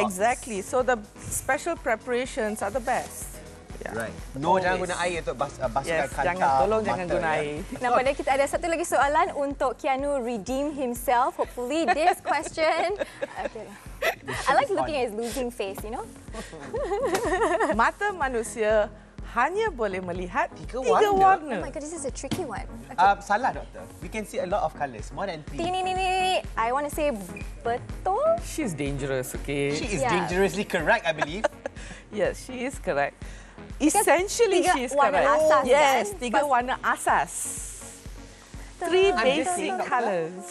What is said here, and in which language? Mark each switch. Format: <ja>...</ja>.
<en>Exactly. So the special preparations are the best. Yeah. Right. No, always.</en> <ms>Jangan guna air untuk basuhkan kanta. Jangan tolong jangan guna air. Nampaknya kita ada satu lagi soalan untuk Keanu</ms> <en>redeem himself. Hopefully this question. Okay. I like looking at his losing face, you know?</en> <ms>Mata manusia hanya boleh melihat tiga warna.</ms> <en>Oh my god, this is a tricky one. Okay.</en> <ms>Salah, doktor.</ms> <en>We can see a lot of colours. More than three. I want to say betul. She's dangerous, okay? She is dangerously correct, I believe. Yes, she is correct. Essentially,</en> <ms>tiga</ms> <en>she is correct.</en> <ms>Warna asas, yes, tiga warna asas.</ms> <en>Three basic colours.</en>